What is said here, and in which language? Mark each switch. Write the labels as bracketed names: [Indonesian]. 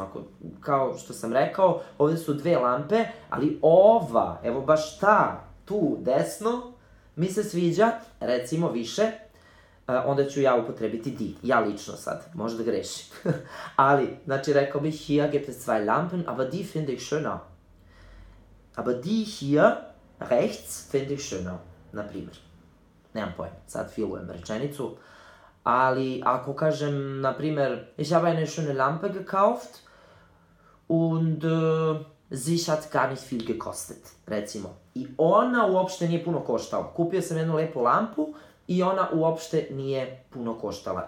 [Serbian] Ako, kao što sam rekao, ovdje su dve lampe, ali ova, evo baš ta, tu, desno, mi se sviđa, recimo, više, onda ću ja upotrebiti di. Ja lično sad, možda grešim. Ali, znači, rekao bih, [German] hier gibt es zwei Lampen, aber die finde ich schöner. Aber die hier, rechts, finde ich schöner. [Serbian] Naprimjer. Nemam pojma, sad filujem rečenicu. Ali, ako kažem, naprimjer, [German] ich habe eine schöne Lampe gekauft und sie hat gar nicht viel gekostet, [Serbian] recimo. I ona uopšte nije puno koštala. Kupio sam jednu lepu lampu i ona uopšte nije puno koštala.